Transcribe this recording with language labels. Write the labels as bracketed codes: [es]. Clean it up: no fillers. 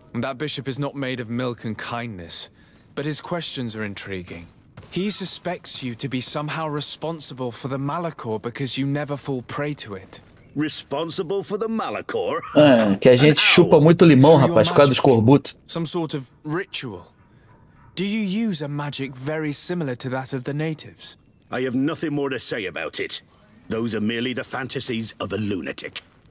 [en] That bishop is not made of milk and kindness, but his questions are intriguing. He suspects you to be somehow responsible for the Malachor because you never fall prey to it. Responsible for the Malachor? [pt] Que a gente chupa muito limão, rapaz, por causa do escorbuto. [en] Some sort of ritual. Do you use a magic very similar to that of the natives? I have nothing more to say about it. Those are merely the fantasies of a lunatic.